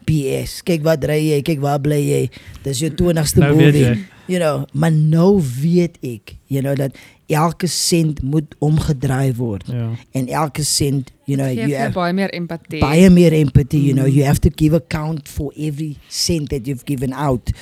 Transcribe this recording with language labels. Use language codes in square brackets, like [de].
[af] BS, kyk wat draai jy, kyk wat bly jy, dis jou 20ste movie. You know, maar nou weet ek, you know, dat elke cent moet omgedraai word. [en] Yeah. [af] En elke cent, [en] you know, you have [af] baie meer empathie. Baie meer empathie, [en] you know, you have to give account for every cent that you've given out.